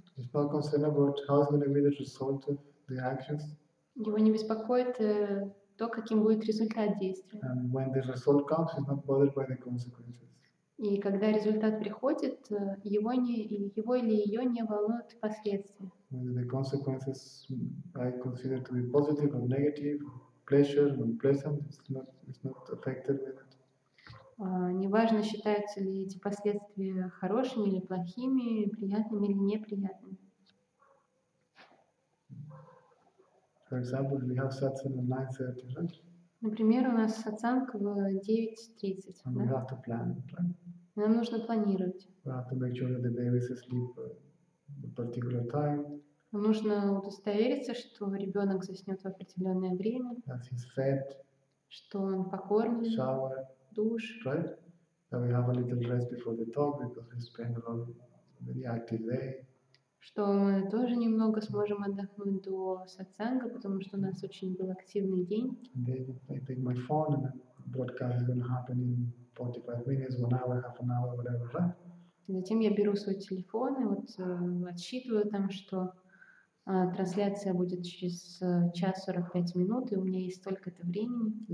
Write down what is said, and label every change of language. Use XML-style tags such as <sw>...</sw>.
<en>He's not concerned about how's going to be the result of the actions.</en> <ru>Его не беспокоит то, каким будет результат действия.</ru> <en>And when the result comes, he's not bothered by the consequences.</en> <ru>И когда результат приходит, его не его или ее не волнуют последствия.</ru> <en>Whether the consequences I consider to be positive or negative, pleasure or unpleasant, it's not affected with it.</en> <ru>Неважно, считаются ли эти последствия хорошими или плохими, приятными или неприятными.</ru> <en>For example, we have satsang at 9:30, right?</en> <ru>Например, у нас сатсанг в 9:30.</ru> <en>And we have to plan, right?</en> <ru>Нам нужно планировать.</ru> <en>We have to make sure that the baby is asleep at a particular time.</en> <ru>Нужно удостовериться, что ребенок заснет в определенное время.</ru> <en>That he's fed.</en> <ru>Что он покормлен.</ru> <en>Shower.</en> <ru>Душ.</ru> <en>Right? That we have a little rest before the talk because we spend a lot of very active day.</en> <ru>Что мы тоже немного сможем отдохнуть до сатсанга, потому что у нас очень был активный день. Затем я беру свой телефон и вот отсчитываю там, что трансляция будет через час 45 минут, и у меня есть столько-то времени.</ru>